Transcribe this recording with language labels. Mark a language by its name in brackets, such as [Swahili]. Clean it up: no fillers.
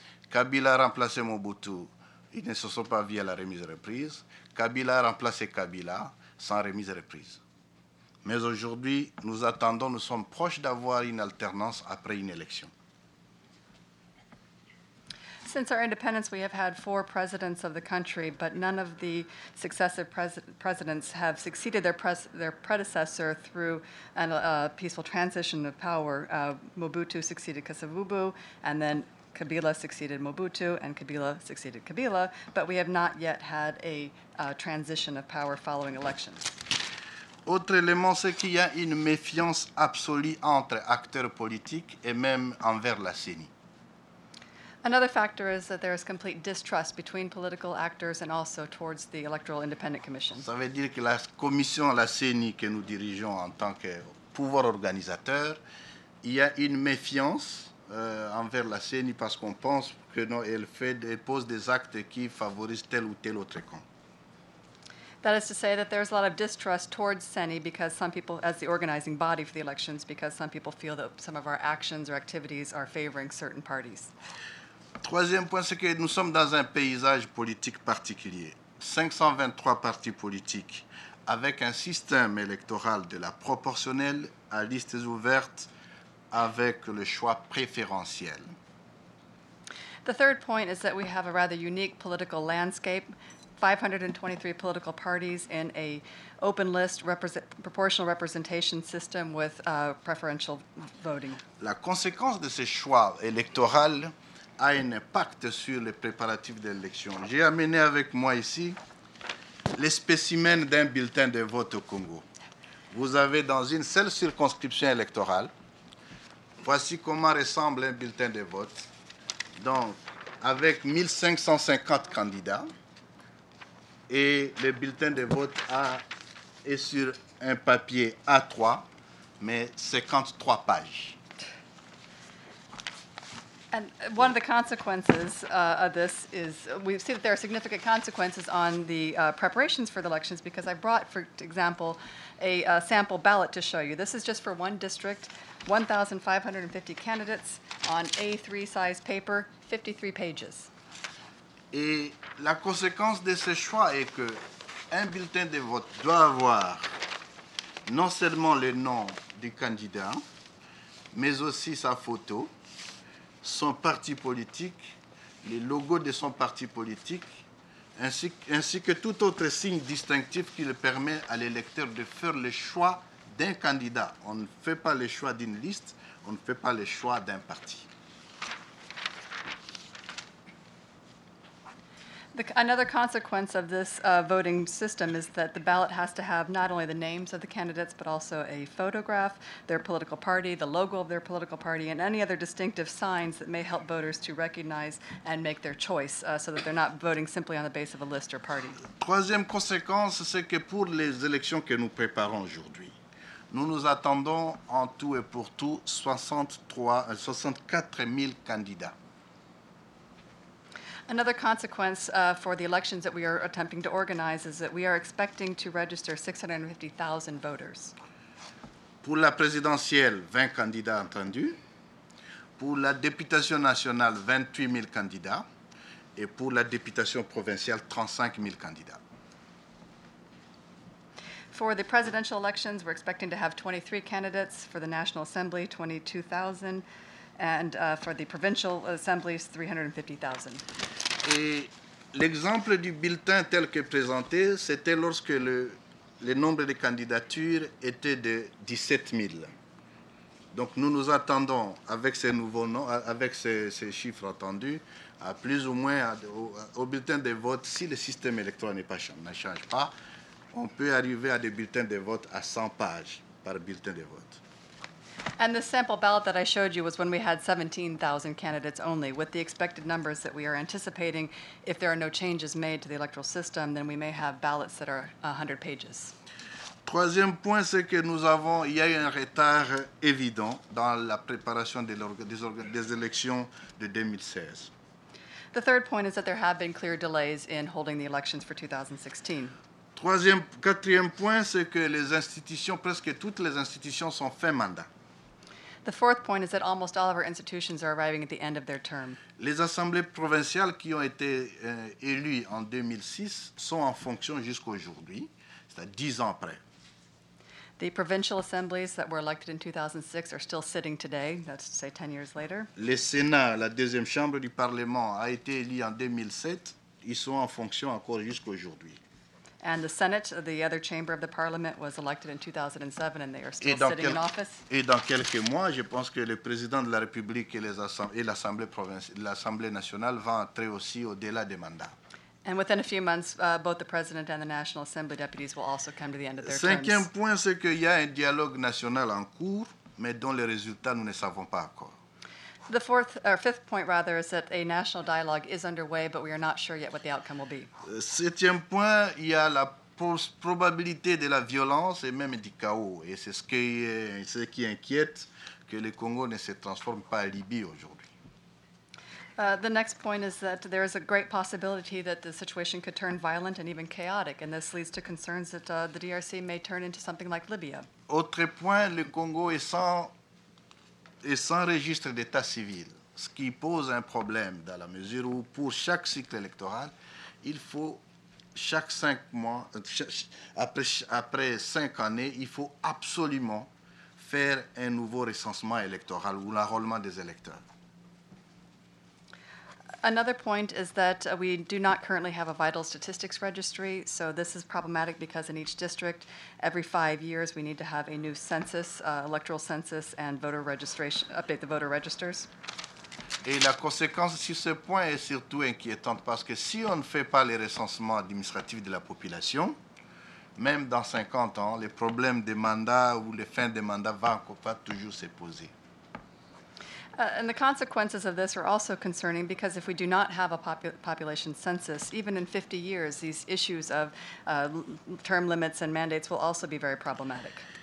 [French] Kabila a remplacé Mobutu. Ils ne se sont pas vus à la remise et reprise. Kabila a remplacé Kabila sans remise et reprise. Mais aujourd'hui, nous attendons, nous sommes proches d'avoir une alternance après une élection. [English] Since our independence, we have had 4 presidents of the country, but none of the successive presidents have succeeded their predecessor through a peaceful transition of power. Mobutu succeeded Kassavubu, and then Kabila succeeded Mobutu, and Kabila succeeded Kabila, but we have not yet had a transition of power following elections. [French] Autre élément, c'est qu'il y a une méfiance absolue entre acteurs politiques et même envers la CENI. [English] Another factor is that there is complete distrust between political actors and also towards the Electoral Independent Commission. [French] Ça veut dire que la commission, la CENI, que nous dirigeons en tant que pouvoir organisateur, il y a une méfiance envers la CENI parce qu'on pense que non, elle pose des actes qui favorisent tel ou tel autre camp. [English] That is to say that there's a lot of distrust towards CENI because some people, as the organizing body for the elections, because some people feel that some of our actions or activities are favoring certain parties. [French] Troisième point, c'est que nous sommes dans un paysage politique particulier. 523 partis politiques avec un système électoral de la proportionnelle à listes ouvertes avec le choix préférentiel. [English] The third point is that we have a rather unique political landscape. 523 political parties in a open list proportional representation system with preferential voting. [French] La conséquence de ce choix électoral a un impact sur les préparatifs de l'élection. J'ai amené avec moi ici les spécimens d'un bulletin de vote au Congo. Vous avez dans une seule circonscription électorale, voici comment ressemble un bulletin de vote. Donc, avec 1550 candidats, et le bulletin de vote est sur un papier A3, mais 53 pages. [English] And one of the consequences of this is we see that there are significant consequences on the preparations for the elections, because I brought, for example, a sample ballot to show you. This is just for one district, 1,550 candidates on A3 size paper, 53 pages. [French] Et la conséquence de ce choix est que un bulletin de vote doit avoir non seulement le nom du candidat, mais aussi sa photo, son parti politique, les logos de son parti politique, ainsi que tout autre signe distinctif qui le permet à l'électeur de faire le choix d'un candidat. On ne fait pas le choix d'une liste, on ne fait pas le choix d'un parti. [English] Another consequence of this voting system is that the ballot has to have not only the names of the candidates, but also a photograph, their political party, the logo of their political party, and any other distinctive signs that may help voters to recognize and make their choice so that they're not voting simply on the base of a list or party. [French] Troisième conséquence, c'est que pour les élections que nous préparons aujourd'hui, nous nous attendons en tout et pour tout 64 000 candidats. [English] Another consequence for the elections that we are attempting to organize is that we are expecting to register 650,000 voters. [French] Pour la présidentielle, 20 candidats attendus. Pour la députation nationale, 28 000 candidats. Et pour la députation provinciale, 35 000 candidats. [English] For the presidential elections, we're expecting to have 23 candidates. For the National Assembly, 22,000. And for the provincial assemblies, 350,000. [French] Et l'exemple du bulletin tel que présenté, c'était lorsque le nombre de candidatures était de 17 000. Donc nous nous attendons, avec ces nouveaux noms, avec ces chiffres attendus, à plus ou moins au bulletin de vote, si le système électoral ne change pas, on peut arriver à des bulletins de vote à 100 pages par bulletin de vote. [English] And the sample ballot that I showed you was when we had 17,000 candidates only. With the expected numbers that we are anticipating, if there are no changes made to the electoral system, then we may have ballots that are 100 pages. [French] Troisième point, c'est que nous avons, il y a eu un retard évident dans la préparation des élections de 2016. [English] The third point is that there have been clear delays in holding the elections for 2016. [French] Quatrième point, c'est que les institutions, presque toutes les institutions sont fin mandat. [English] The fourth point is that almost all of our institutions are arriving at the end of their term. [French] Les assemblées provinciales qui ont été élues en 2006 sont en fonction jusqu'à aujourd'hui, c'est-à-dire 10 ans après. [English] The provincial assemblies that were elected in 2006 are still sitting today, that's to say 10 years later. [French] Le Sénat, la deuxième chambre du Parlement, a été élu en 2007, ils sont en fonction encore jusqu'à aujourd'hui. [English] And the Senate, the other chamber of the Parliament, was elected in 2007, and they are still sitting in office. [French] Et dans quelques mois, je pense que le président de la République et l'Assemblée nationale vont entrer aussi au-delà des mandats. [English] And within a few months, both the president and the National Assembly deputies will also come to the end of their [French] Cinquième [English] terms. [French] Cinquième point, c'est qu'il y a un dialogue national en cours, mais dont les résultats nous ne savons pas encore. [English] The fourth or fifth point, rather, is that a national dialogue is underway, but we are not sure yet what the outcome will be. [French] Septième point, il y a la probabilité de la violence et même du chaos, et c'est ce qui inquiète que le Congo ne se transforme pas en Libye aujourd'hui. [English] The next point is that there is a great possibility that the situation could turn violent and even chaotic, and this leads to concerns that the DRC may turn into something like Libya. [French] Autre point, le Congo est sans registre d'état civil, ce qui pose un problème dans la mesure où pour chaque cycle électoral, il faut chaque 5 mois, après 5 années, il faut absolument faire un nouveau recensement électoral ou l'enrôlement des électeurs. [English] Another point is that we do not currently have a vital statistics registry, so this is problematic because in each district, every 5 years, we need to have a new census, electoral census, and voter registration, update the voter registers. [French] Et la conséquence sur ce point est surtout inquiétante parce que si on ne fait pas les recensements administratifs de la population, même dans 50 ans, les problèmes des mandats ou les fins des mandats vont encore toujours se poser. [English] And the consequences of this are also concerning because if we do not have a population census, even in 50 years, these issues of term limits and mandates will also be very problematic.